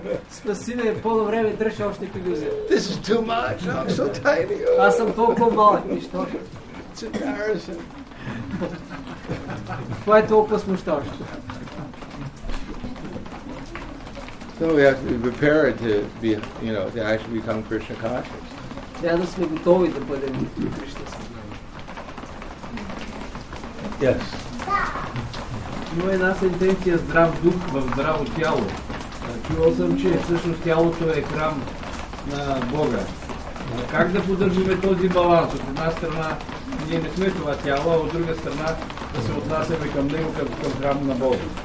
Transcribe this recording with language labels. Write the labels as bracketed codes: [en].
[bg] Спаси ме, по-добре ме дръж още [en] пилюзия. This is too much. No, I'm so tiny. [bg] Аз съм толкова малък, нищо. [en] It's embarrassing. [bg] Това е толкова смущаващо. [en] So we have to be prepared to be, you know, to actually become Krishna conscious. [bg] Трябва да сме готови да бъдем Кришна съзнание. Yes. Има една сентенция здрав дух в здраво тяло. Чувал съм, че всъщност тялото е храм на Бога. Как да поддържаме този баланс? От една страна ние не сме това тяло, а от друга страна да се отнасяме към него като към храм на Бога.